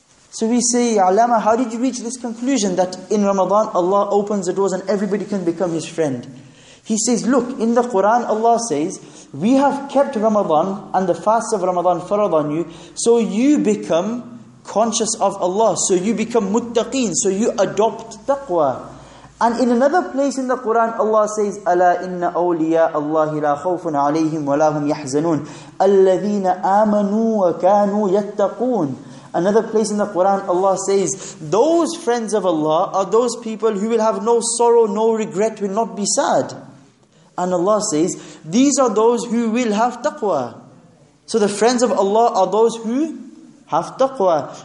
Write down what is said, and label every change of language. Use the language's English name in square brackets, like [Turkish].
[English] So we say, Allama, how did you reach this conclusion that in Ramadan, Allah opens the doors and everybody can become His friend? He says, look, in the Quran, Allah says, we have kept Ramadan and the fast of Ramadan farad on you, so you become conscious of Allah, so you become muttaqeen, so you adopt taqwa. And in another place in the Quran, Allah says, [Arabic] أَلَا إِنَّ أَوْلِيَاءَ اللَّهِ لَا خَوْفٌ عَلَيْهِمْ وَلَا هُمْ يَحْزَنُونَ الَّذِينَ آمَنُوا وَكَانُوا يَتَّقُونَ. [English] Another place in the Quran, Allah says, those friends of Allah are those people who will have no sorrow, no regret, will not be sad. And Allah says, these are those who will have taqwa. So the friends of Allah are those who have taqwa.